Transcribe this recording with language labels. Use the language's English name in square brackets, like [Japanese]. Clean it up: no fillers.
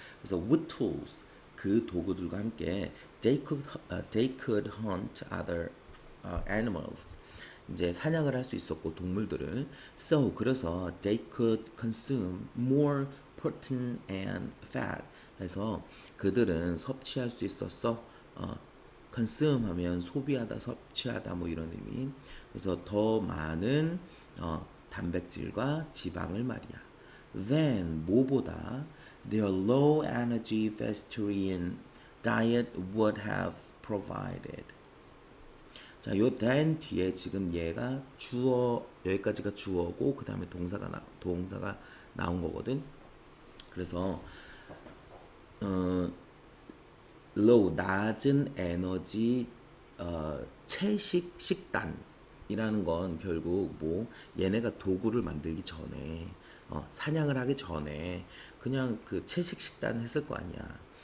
[Korean] 그래서 [English] with tools [Korean] 그 도구들과 함께 [English] they could hunt other animals [Korean] 이제 사냥을 할수 있었고 동물들을 [English] so [Korean] 그래서 [English] they could consume more protein and fat [Korean] 해서 그들은 섭취할 수 있었어. 컨슘하면 소비하다, 섭취하다 뭐 이런 의미. 그래서 더 많은 단백질과 지방을 말이야. [English] Then [Korean] 뭐보다 [English] their low energy vegetarian diet would have provided. [Korean] 자, 요 then 뒤에 지금 얘가 주어, 여기까지가 주어고 그 다음에 동사가 나온 거거든. 그래서 low 낮은 에너지 채식 식단이라는 건 결국 뭐 얘네가 도구를 만들기 전에 사냥을 하기 전에 그냥 그 채식 식단 했을 거 아니야.